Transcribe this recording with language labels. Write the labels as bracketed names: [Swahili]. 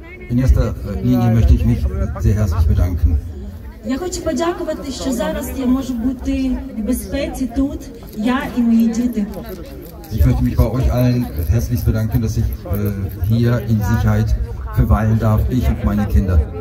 [German] In erster Linie möchte ich mich sehr herzlich bedanken. [Ukrainian] Я хочу подякувати, що зараз я можу бути в безпеці тут, я і мої діти. [German] Ich möchte mich bei euch allen herzlich bedanken, dass ich hier in Sicherheit verweilen darf, ich und meine Kinder.